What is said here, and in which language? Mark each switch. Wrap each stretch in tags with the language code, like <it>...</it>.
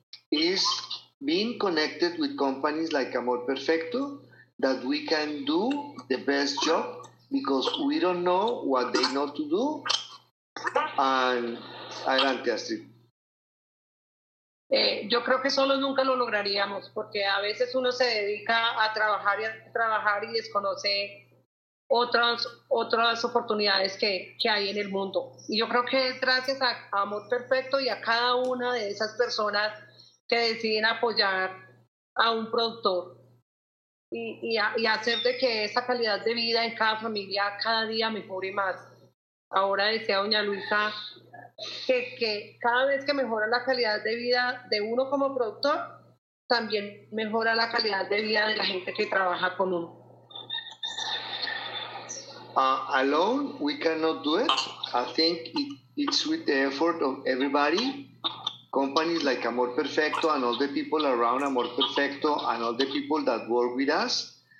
<en>It's being connected with companies like Amor Perfecto that we can do the best job because we don't know what they know to do. And</en> <es>adelante,</es> <en>Astrid.</en> <es>Yo creo que solo nunca lo lograríamos, porque a veces uno se dedica a trabajar y a trabajar y desconoce otras oportunidades que hay en el mundo. Y yo creo que es gracias a Amor Perfecto y a cada una de esas personas que deciden apoyar a un productor y hacer de que esa calidad de vida en cada familia cada día mejore más. Ahora decía doña Luisa que cada vez que mejora la calidad de vida de uno como productor, también mejora la calidad de vida de la gente que trabaja con uno.</es> <en>Alone, we cannot do it. I think it's with the effort of everybody. Companies like Amor Perfecto and all the people around Amor Perfecto and all the people that work with us.</en>